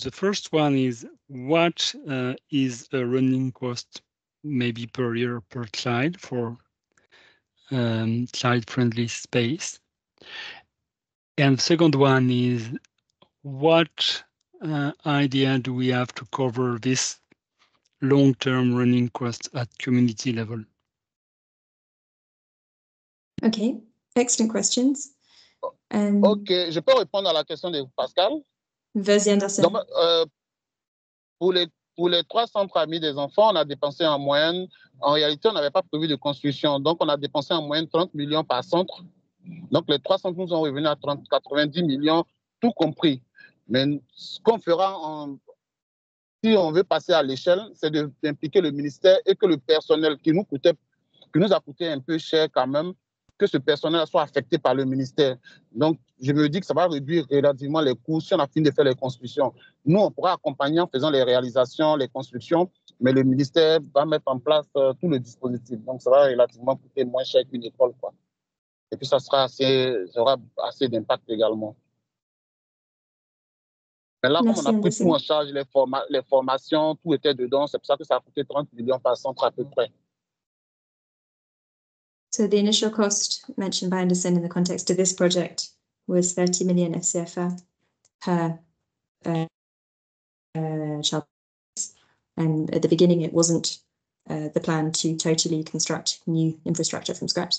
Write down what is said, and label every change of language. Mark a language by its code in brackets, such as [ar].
[en] The first one is, what is a running cost, maybe per year per child, for child-friendly space? And the second one is, what idea do we have to cover this long-term running cost at community level? Okay, excellent questions. [fr] Okay, je peux répondre à la question de Pascal. Vas-y, Anderson. Donc, pour les trois centres amis des enfants, on a dépensé en moyenne, en réalité, on n'avait pas prévu de construction, donc on a dépensé en moyenne 30 millions par centre. Donc, les trois centres nous ont revenu à 30, 90 millions, tout compris. Mais ce qu'on fera, si on veut passer à l'échelle, c'est d'impliquer le ministère et que le personnel qui nous a coûté un peu cher quand même, que ce personnel soit affecté par le ministère. Donc, je me dis que ça va réduire relativement les coûts si on a fini de faire les constructions. Nous, on pourra accompagner en faisant les réalisations, les constructions, mais le ministère va mettre en place tout le dispositif. Donc, ça va relativement coûter moins cher qu'une école, quoi. Et puis, ça aura assez d'impact également. Mais là, comme on a pris tout en charge, les formations, tout était dedans, c'est pour ça que ça a coûté 30 millions par centre à peu près. [en] So the initial cost mentioned by Anderson in the context of this project was 30 million FCFR per child. And at the beginning, it wasn't the plan to totally construct new infrastructure from scratch.